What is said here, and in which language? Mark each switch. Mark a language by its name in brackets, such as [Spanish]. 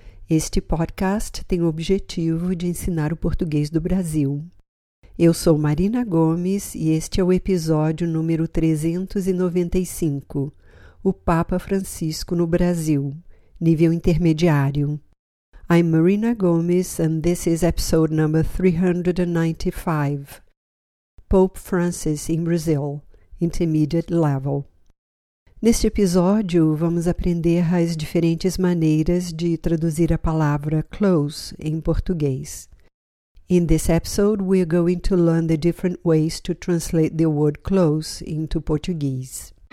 [Portuguese] Este podcast tem o objetivo de ensinar o português do Brasil. Eu sou Marina Gomes e este é o episódio número 395, O Papa Francisco no Brasil, nível intermediário. [English] I'm Marina Gomes and this is episode number 395. Pope Francis in Brazil, Intermediate Level. [Portuguese] Neste episódio, vamos aprender as diferentes maneiras de traduzir a palavra close em português. [English] In this episode, we are going to learn the different ways to translate the word close into Portuguese.